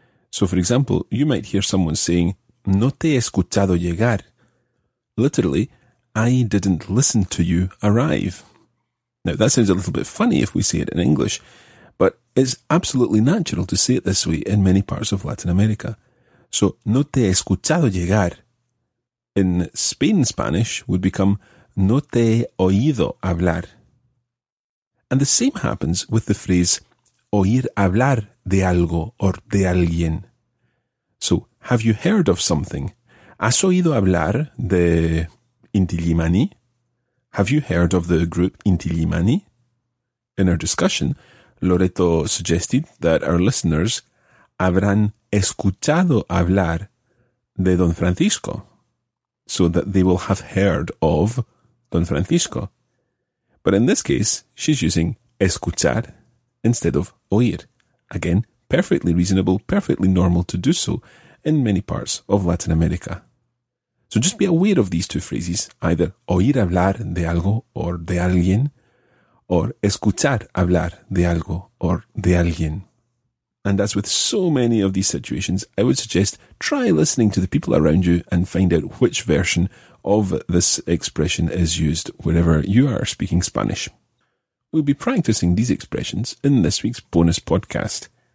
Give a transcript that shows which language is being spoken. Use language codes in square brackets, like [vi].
[en] So, for example, you might hear someone saying, [es] no te he escuchado llegar. [en] Literally, I didn't listen to you arrive. Now, that sounds a little bit funny if we say it in English, but it's absolutely natural to say it this way in many parts of Latin America. [es] So, no te he escuchado llegar. [en] In Spain, Spanish would become, [es] no te he oído hablar. [en] And the same happens with the phrase, [es] oír hablar de algo [en] or de alguien. So, have you heard of something? [es] ¿Has oído hablar de Inti Illimani? [en] Have you heard of the group Inti Illimani? In our discussion, Loreto suggested that our listeners [es] habrán escuchado hablar de Don Francisco, [en] so that they will have heard of Don Francisco. But in this case, she's using escuchar instead of oír. Again, perfectly reasonable, perfectly normal to do so in many parts of Latin America. So just be aware of these two phrases, either [es] oír hablar de algo [en] or de alguien, or [es] escuchar hablar de algo [en] or de alguien. And as with so many of these situations, I would suggest try listening to the people around you and find out which version of this expression is used whenever you are speaking Spanish. We'll be practicing these expressions in this week's bonus podcast.